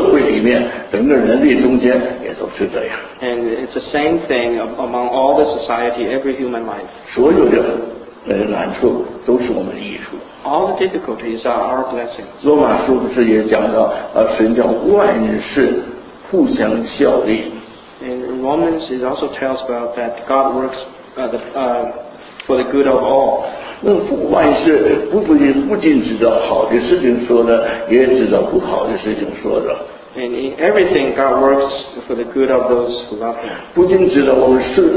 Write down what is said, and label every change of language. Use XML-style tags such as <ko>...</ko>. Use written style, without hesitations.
<zh>在整个社会里面，整个人类中间也都是这样。</zh> <en>And it's the same thing among all the society, every human life.</en> <zh>所有的难处都是我们的益处。</zh> <en>All the difficulties are our blessings.</en> <zh>罗马书不是也讲到，神叫万事互相效力。</zh> <en>And Romans it also tells about that God works for the good of all.</en> <zh>那万事不仅指着好的事情说的，也指着不好的事情说的。</zh> <en>And in everything, God works for the good of those who love Him.</en>